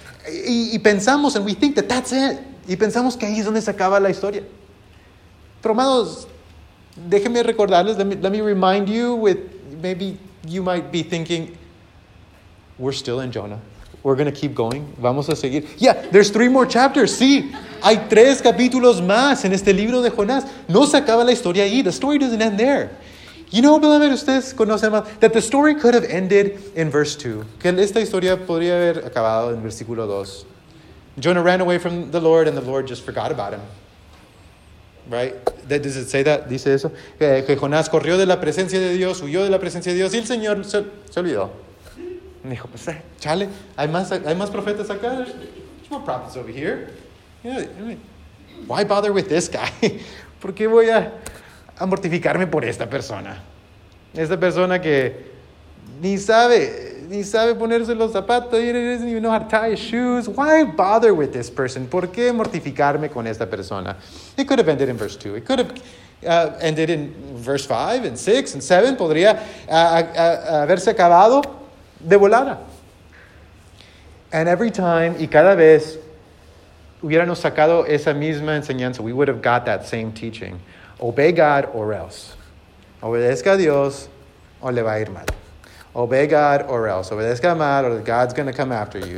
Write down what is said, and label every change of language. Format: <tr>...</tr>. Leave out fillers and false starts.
<es>Y pensamos,</es> <en>and we think that that's it.</en> <es>Y pensamos que ahí es donde se acaba la historia. Pero, amados, déjenme recordarles,</es> <en>let me remind you with, maybe you might be thinking, we're still in Jonah. We're going to keep going.</en> <es>Vamos a seguir.</es> <en>Yeah, there's 3 more chapters.</en> <es>Sí, hay 3 capítulos más en este libro de Jonás. No se acaba la historia ahí.</es> <en>The story doesn't end there. You know, beloved,</en> <es>ustedes conocen más,</es> <en>that the story could have ended in verse 2.</en> <es>Que esta historia podría haber acabado en versículo 2.</es> <en>Jonah ran away from the Lord, and the Lord just forgot about him. Right? Does it say that?</en> <es>Dice eso. Que Jonás corrió de la presencia de Dios, huyó de la presencia de Dios, y el Señor se olvidó. Me dijo, pues, chale, hay más profetas acá.</es> <en>There's more prophets over here. Yeah, I mean, why bother with this guy?</en> <es>¿Por qué voy a mortificarme por esta persona? Esta persona que ni sabe ponerse los zapatos.</es> <en>He doesn't even know how to tie his shoes. Why bother with this person?</en> <es>¿Por qué mortificarme con esta persona?</es> <en>It could have ended in verse 2. It could have ended in verse 5 and 6 and 7.</en> <es>Podría haberse acabado de volada.</es> <en>And every time,</en> <es>y cada vez, hubiéramos sacado esa misma enseñanza.</es> <en>We would have got that same teaching. Obey God or else.</en> <es>Obedezca a Dios o le va a ir mal.</es> <en>Obey God or else.</en> <es>Obedezca mal</es> <en>or God's going to come after you.</en>